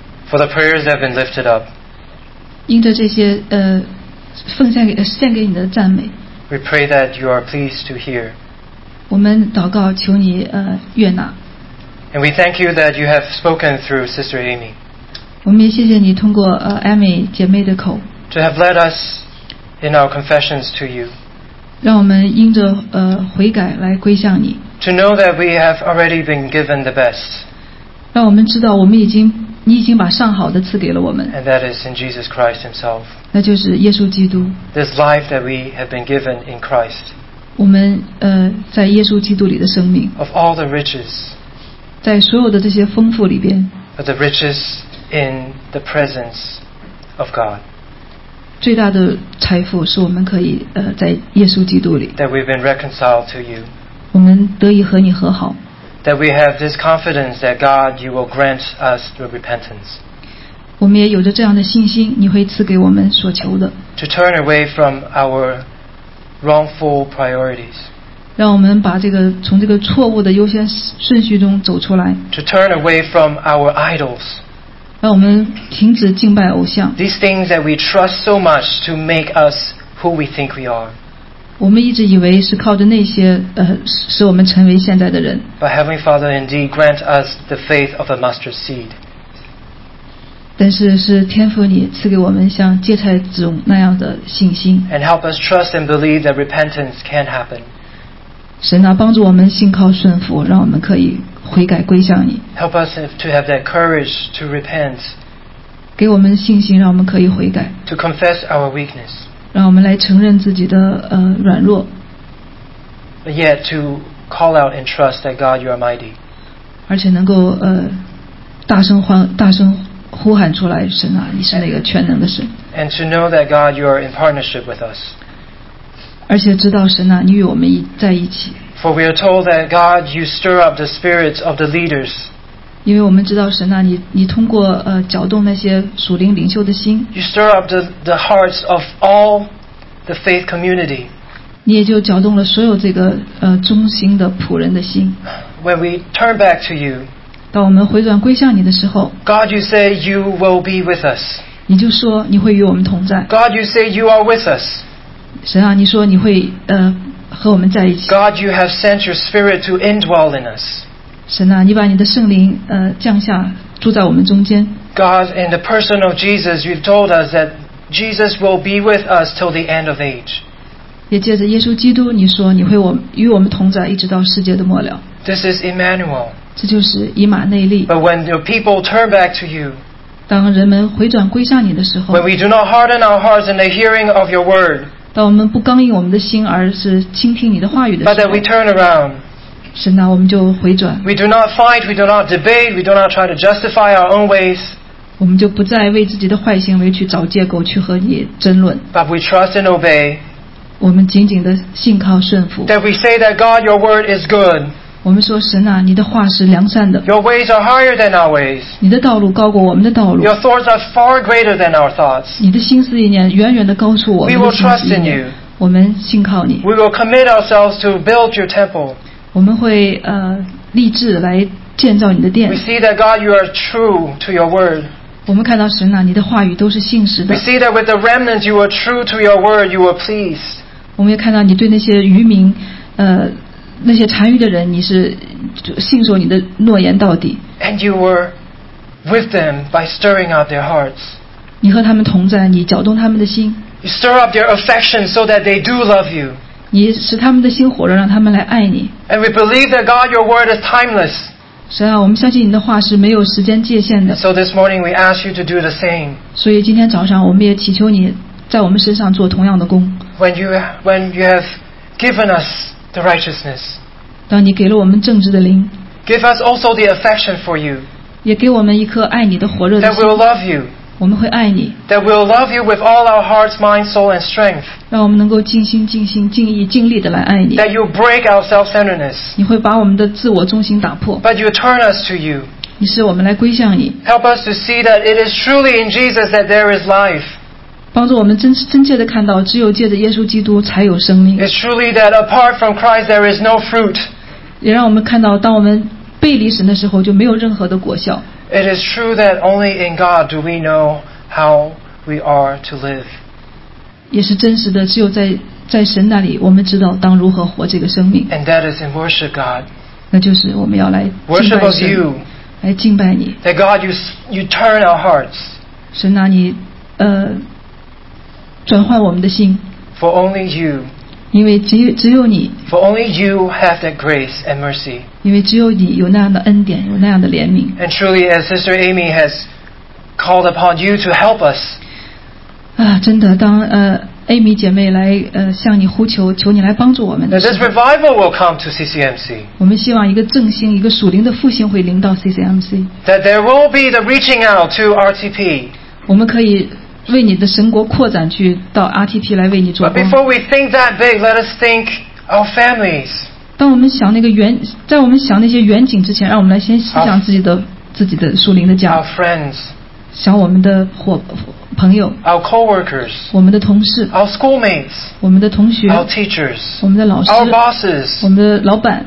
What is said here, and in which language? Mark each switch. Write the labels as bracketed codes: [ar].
[en] for the prayers that have been lifted up, [zh] 因着这些, 奉献给, 献给你的赞美, [en] we pray that you are pleased to hear. [zh] 我们祷告求你, 悦纳, [en] And we thank you that you have spoken through Sister Amy. [zh] 我们也谢谢你通过Amy 姐妹的口。 [en] To have led us in our confessions to you. [zh] 让我们因着悔改来归向你。 [en] To know that we have already been given the best. [zh] 让我们知道我们已经你已经把上好的赐给了我们。 [en] And that is in Jesus Christ Himself. [zh] 那就是耶稣基督。 [en] This life that we have been given in Christ. [zh] 我们在耶稣基督里的生命。 [en] Of all the riches. [zh] 在所有的这些丰富里边。 [en] But the riches in the presence of God. [zh] 最大的财富是我们可以在耶稣基督里。 [en] That we've been reconciled to you. [zh] 我们得以和你和好。 [en] That we have this confidence that God, you will grant us the repentance. [zh] 我们也有着这样的信心，你会赐给我们所求的。 [en] To turn away from our wrongful priorities. [zh] 让我们把这个从这个错误的优先顺序中走出来。 [en] To turn away from our idols. [zh] 让我们停止敬拜偶像。 [en] These things that we trust so much to make us who we think we are. [zh] 我们一直以为是靠着那些使我们成为现在的人。 [en] But Heavenly Father, indeed, grant us the faith of a mustard seed. [zh] 但是是天父你赐给我们像芥菜种那样的信心。 [en] And help us trust and believe that repentance can happen. [zh] 神啊，帮助我们信靠顺服，让我们可以悔改归向你。 [en] Help us to have that courage to repent. [zh] 给我们信心，让我们可以悔改。 [en] To confess our weakness. [zh] 让我们来承认自己的软弱。 [en] But yet to call out and trust that God you are mighty. [zh] 而且能够大声呼喊出来，神啊，你是那个全能的神。 [en] And to know that God you are in partnership with us. [zh] 而且知道神啊，你与我们在一起。 [en] For we are told that God you stir up the spirits of the leaders. [zh] 因为我们知道神啊 你通过搅动那些属灵领袖的心 [en] You stir up the hearts of all the faith community [zh] 你也就搅动了所有这个忠心的仆人的心 [en] When we turn back to you [zh] 当我们回转归向你的时候 [en] God you say you will be with us [zh] 你就说你会与我们同在 [en] God you say you are with us [zh] 神啊你说你会和我们在一起 [en] God you have sent your spirit to indwell in us [zh] 神啊，你把你的圣灵降下，住在我们中间。 [en] God in the person of Jesus, you've told us that Jesus will be with us till the end of age. [zh] 也借着耶稣基督，你说你会与我们同在，一直到世界的末了。 [en] This is Emmanuel. [zh] 这就是以马内利。 [en] But when your people turn back to you, [zh] 当人们回转归向你的时候 [en] ，when we do not harden our hearts in the hearing of your word, [zh] 当我们不刚硬我们的心，而是倾听你的话语的时候 [en] ，but that we turn around. [zh] 神啊，我们就回转。 [en] We do not fight, we do not debate, we do not try to justify our own ways. [zh] 我们就不再为自己的坏行为去找借口去和你争论。 [en] But we trust and obey. [zh] 我们紧紧的信靠顺服。 [en] That we say that God, your word is good. [zh] 我们说神啊，你的话是良善的。 [en] Your ways are higher than our ways. [zh] 你的道路高过我们的道路。 [en] Your thoughts are far greater than our thoughts. [zh] 你的心思意念远远的高出我们的心思意念。 [en] We will trust in you. [zh] 我们信靠你。 [en] We will commit ourselves to build your temple. [zh] 我们会立志来建造你的殿。 [en] We see that God, you are true to your word. [zh] 我们看到神啊，你的话语都是信实的。 [en] We see that with the remnants, you are true to your word. You are pleased. [zh] 我们也看到你对那些渔民，那些残余的人，你是信守你的诺言到底。 [en] And you were with them by stirring up their hearts. [zh] 你和他们同在，你搅动他们的心。 [en] You stir up their affections so that they do love you. [zh] 你使他们的心火热，让他们来爱你。 [en] And we believe that God, your word is timeless. [zh] 神啊，我们相信你的话是没有时间界限的。 [en] So this morning we ask you to do the same. [zh] 所以今天早上我们也祈求你在我们身上做同样的工。 [en] When you have given us the righteousness. [zh] 当你给了我们正直的灵。 [en] Give us also the affection for you. [zh] 也给我们一颗爱你的火热的心。 [en] That we'll love you. [zh] 我们会爱你。 [en] That we'll love you with all our hearts, mind, soul, and strength. [zh] 让我们能够尽心、尽心、尽意、尽力的来爱你。 [en] That you break our self-centeredness. [zh] 你会把我们的自我中心打破。 [en] But you turn us to you. [zh] 你使我们来归向你。 [en] Help us to see that it is truly in Jesus that there is life. [zh] 帮助我们真切的看到，只有借着耶稣基督才有生命。 [en] It's truly that apart from Christ there is no fruit. [zh] 也让我们看到，当我们背离神的时候，就没有任何的果效。 [en] It is true that only in God do we know how we are to live. [zh] 也是真实的，只有在神那里，我们知道当如何活这个生命。 [en] And that is in worship God. [zh] 那就是我们要来敬拜神，来敬拜你。 [en] That God, you turn our hearts. [zh] 神啊，你转换我们的心。 [en] For only you. [zh] 因为只有你。 [en] For only you have that grace and mercy. [zh] 因为只有你有那样的恩典，有那样的怜悯。 [en] And truly, as Sister Amy has called upon you to help us. [zh] 啊，真的，当Amy 姐妹来向你呼求，求你来帮助我们。 [en] This revival will come to CCMC. [zh] 我们希望一个振兴，一个属灵的复兴会临到 CCMC. [en] That there will be the reaching out to RTP. [zh] 我们可以为你的神国扩展去到 RTP 来为你做工。 [en] But before we think that big, let us think our families. [zh] 当我们想那个远，在我们想那些远景之前，让我们来先思想自己的属灵的家。 [en] Our friends. [zh] 想我们的朋友 [en] ，our coworkers， [zh] 我们的同事 [en] ，our schoolmates， [zh] 我们的同学 [en] ，our teachers， [zh] 我们的老师 [en] ，our bosses， [zh] 我们的老板